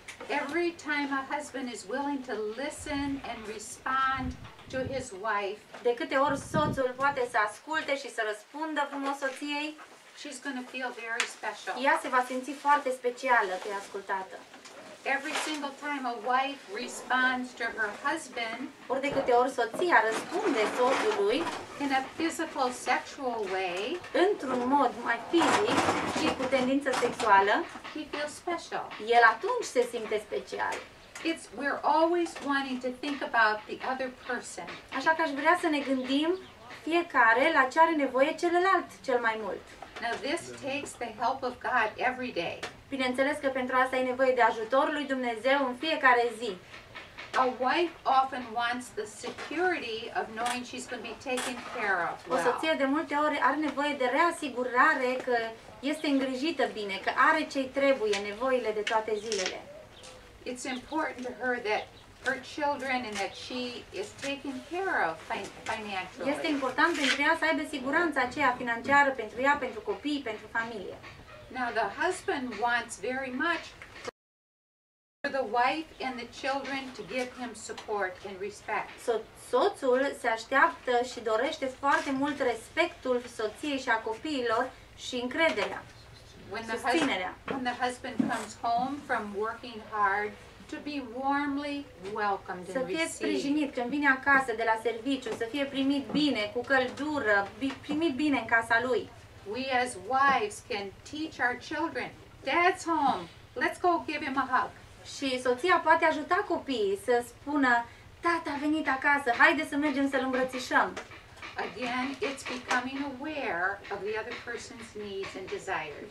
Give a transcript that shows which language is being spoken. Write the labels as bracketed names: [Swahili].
[English] Every time a husband is willing to listen and respond to his wife. [Romanian] De câte ori soțul poate să asculte și să răspundă frumos soției, [English] she's going to feel very special. [Romanian] Ea se va simți foarte specială că e ascultată. [English] Every single time a wife responds to her husband, [Romanian] ori de câte ori soția răspunde soțului, [English] in a physical sexual way, [Romanian] într-un mod mai fizic și cu tendință sexuală, [English] he feels special. [Romanian] El atunci se simte special. [English] It's we're always wanting to think about the other person. [Romanian] Așa că aș vrea să ne gândim fiecare la ce are nevoie celălalt cel mai mult. [English] Now this takes the help of God every day. [Romanian] Bineînțeles că pentru asta ai nevoie de ajutorul lui Dumnezeu în fiecare zi. [English] A wife often wants the security of knowing she's going to be taken care of. [Romanian] O soție de multe ori are nevoie de reasigurare că este îngrijită bine, că are ce-i trebuie, nevoile de toate zilele. [English] It's important to her that her children and that she is taken care of financially. [Romanian] Este important pentru ea să aibă siguranța aceea financiară pentru ea, pentru copii, pentru familie. [English] Now the husband wants very much for the wife and the children to give him support and respect. [Romanian] Soțul se așteaptă și dorește foarte mult respectul soției și a copiilor și încrederea. [English] When the husband comes home from working hard, to be warmly welcomed and received. [Romanian] Să fie sprijinit când vine acasă de la serviciu, să fie primit bine, cu căldură, primit bine în casa lui. [English] We as wives can teach our children, Dad's home, let's go give him a hug. [Romanian] Și soția poate ajuta copiii să spună, Tata a venit acasă, haide să mergem să-l îmbrățișăm. [English] Again, it's becoming aware of the other person's needs and desires.